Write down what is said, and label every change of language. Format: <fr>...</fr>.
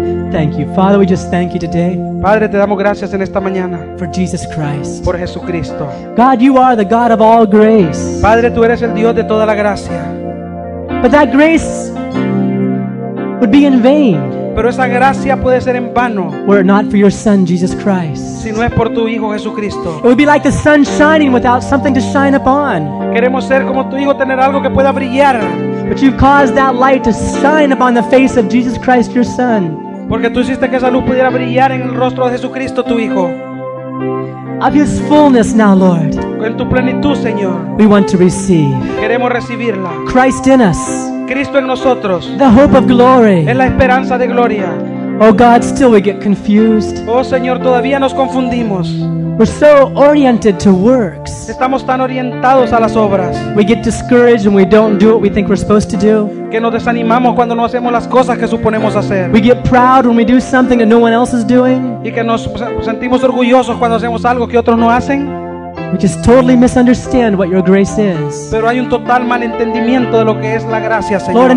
<en>Thank you, Father. We just thank you today.</en> <es>Padre, te damos gracias en esta mañana.</es> <en>For Jesus Christ.</en> <es>Por Jesucristo.</es> <en>God, you are the God of all grace.</en> <es>Padre, tú eres el Dios de toda la gracia.</es> <en>But that grace would be in vain.</en> <es>Pero esa gracia puede ser en vano.</es> <en>Were it not for your Son, Jesus Christ.</en> <es>Si no es por tu hijo Jesucristo.</es> <en>It would be like the sun shining without something to shine upon.</en> <es>Queremos ser como tu hijo, tener algo que pueda brillar.</es> <en>But you've caused that light to shine upon the face of Jesus Christ, your Son.</en> <es>Porque tú hiciste que esa luz pudiera brillar en el rostro de Jesucristo, tu hijo.</es> <en>Of his fullness now, Lord.</en> <es>En tu plenitud, Señor.</es> <en>We want to receive.</en> <es>Queremos recibirla.</es> <en>Christ in us.</en> <es>Cristo en nosotros.</es> <en>The hope of glory.</en> <es>En la esperanza de gloria.</es> <en>Oh God, still we get confused.</en> <es>Oh Señor, todavía nos confundimos.</es> <en>We're so oriented to works.</en> <es>Estamos tan orientados a las obras.</es> <en>We get discouraged and we don't do what we think we're supposed to do.</en> <es>Que nos desanimamos cuando no hacemos las cosas que suponemos hacer.</es> <en>We get proud when we do something that no one else is doing.</en> <es>Y que nos sentimos orgullosos cuando hacemos algo que otros no hacen.</es> <en>We just totally misunderstand what your grace is.</en> <es>Pero hay un total malentendimiento de lo que es la gracia, Señor.</es>